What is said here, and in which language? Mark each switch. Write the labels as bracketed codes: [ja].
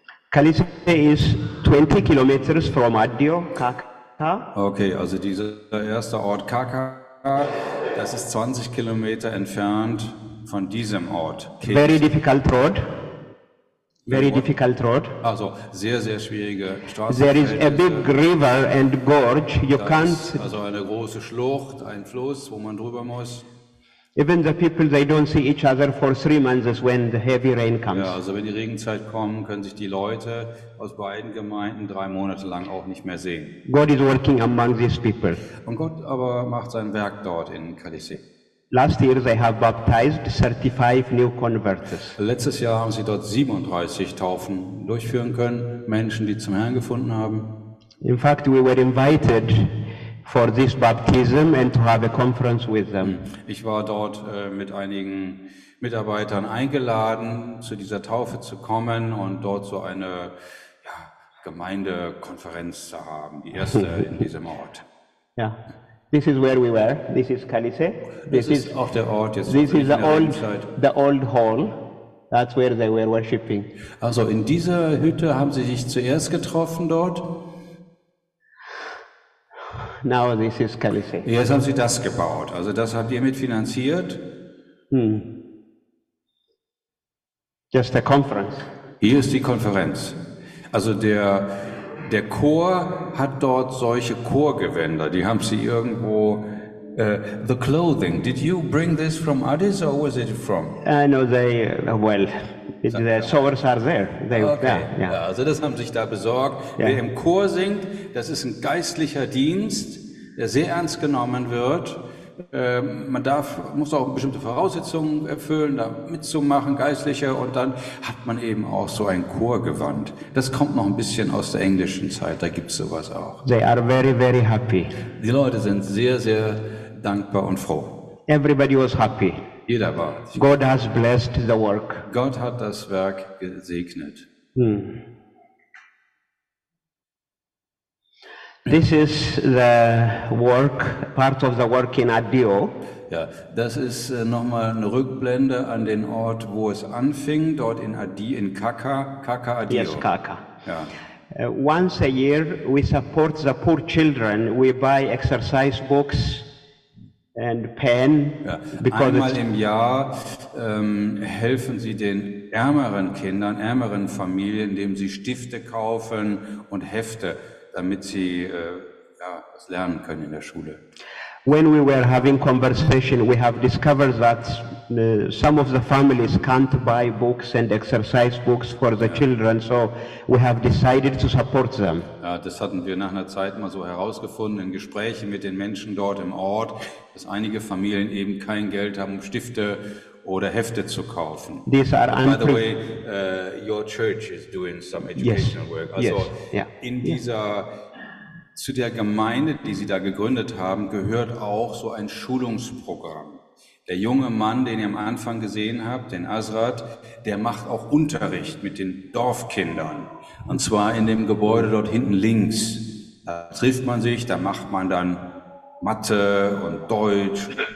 [en] Kilise ist 20 Kilometer from Addio, Kaka. [de] Okay, also dieser erste Ort Kaka, das ist 20 Kilometer entfernt von diesem Ort. [en] Kilise. Very difficult road. Very difficult road. [de] Also sehr, sehr schwierige Straße. [en] There is a big river and gorge. You [de] das [en] can't. [de] Also eine große Schlucht, ein Fluss, wo man drüber muss. [en] Even the people, they don't see each other for 3 months when the heavy rain comes. [de] Ja, also wenn die Regenzeit kommt, können sich die Leute aus beiden Gemeinden 3 Monate lang auch nicht mehr sehen. [en] God is working among these people. [de] Und Gott aber macht sein Werk dort in Kalise. [en] Last year they have baptized 35 new converts. [de] Letztes Jahr haben sie dort 37 Taufen durchführen können, Menschen, die zum Herrn gefunden haben. [en] In fact, we were invited for this baptism and to have a conference with them. [de] Ich war dort mit einigen Mitarbeitern eingeladen, zu dieser Taufe zu kommen und dort so eine Gemeindekonferenz zu haben, die erste in diesem Ort. [en] Ja, yeah. This is where we were. This is Kalise. This is [de] auf der Ort jetzt. [en] This is the old hall. That's where they were worshiping. [de] Also in dieser Hütte haben sie sich zuerst getroffen dort. [en] Now this is Kalise. [de] Jetzt haben sie das gebaut. Also das habt ihr mitfinanziert. [en] Just a conference. [de] Hier ist die Konferenz. Also der Chor hat dort solche Chorgewänder. Die haben sie irgendwo. [en] The clothing. Did you bring this from Addis or was it from? No, they, well, the sewers are there. They, okay. Yeah. [de] Also das haben sich da besorgt. Yeah. Wer im Chor singt, das ist ein geistlicher Dienst, der sehr ernst genommen wird. Man darf, muss auch bestimmte Voraussetzungen erfüllen, da mitzumachen, Geistliche, und dann hat man eben auch so ein Chorgewand. Das kommt noch ein bisschen aus der englischen Zeit, da gibt's sowas auch. [en] They are very, very happy. [de] Die Leute sind sehr, sehr dankbar und froh. [en] Everybody was happy. [de] Jeder war. [en] God has blessed the work. [de] Gott hat das Werk gesegnet. [en] This is the work, part of the work in Addio. [de] Ja, das ist nochmal eine Rückblende an den Ort, wo es anfing, dort in Addio, in Kaka Addio. [en] Yes, Kaka. [de] Ja. [en] Once a year we support the poor children. We buy exercise books and pen. [de] Ja. [en] Because [de] einmal im Jahr helfen sie den ärmeren Kindern, ärmeren Familien, indem sie Stifte kaufen und Hefte, damit sie was lernen können in der Schule. [en] When we were having conversation, we have discovered that some of the families can't buy books and exercise books for the children, so we have decided to support them. [de] Ja, das hatten wir nach einer Zeit mal so herausgefunden in Gesprächen mit den Menschen dort im Ort, dass einige Familien eben kein Geld haben, Stifte oder Hefte zu kaufen. [en] These are By the way, your church is doing some educational work. [de] Also in dieser, zu der Gemeinde, die Sie da gegründet haben, gehört auch so ein Schulungsprogramm. Der junge Mann, den ihr am Anfang gesehen habt, den Azrat, der macht auch Unterricht mit den Dorfkindern. Und zwar in dem Gebäude dort hinten links. Da trifft man sich, da macht man dann Mathe und Deutsch.